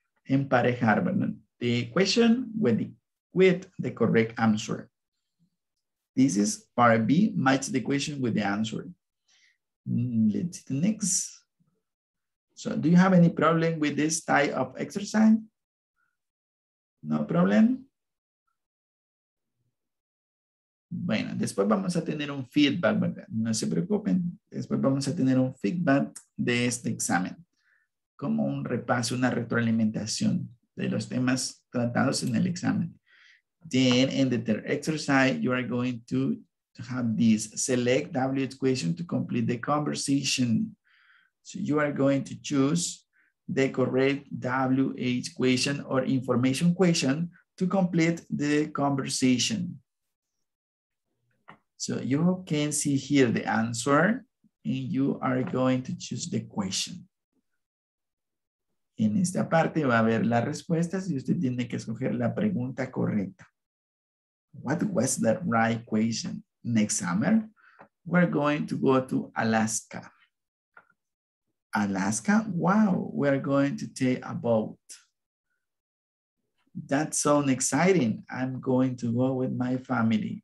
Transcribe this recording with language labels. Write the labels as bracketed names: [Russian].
[English] Emparejar the question with the correct answer. This is part B, match the question with the answer. Let's see the next. So do you have any problem with this type of exercise? No problem. [Spanish] Bueno, después vamos a tener un feedback, ¿verdad? No se preocupen. Después vamos a tener un feedback de este examen, como un repaso, una retroalimentación de los temas tratados en el examen. [English] Then in the third exercise, you are going to have this select WH question to complete the conversation. So you are going to choose the correct WH question or information question to complete the conversation. So you can see here the answer and you are going to choose the question. [Spanish] En esta parte va a haber las respuestas y usted tiene que escoger la pregunta correcta. [English] What was the right question? Next summer, we're going to go to Alaska. Alaska, wow, we're going to take a boat. That's so exciting. I'm going to go with my family.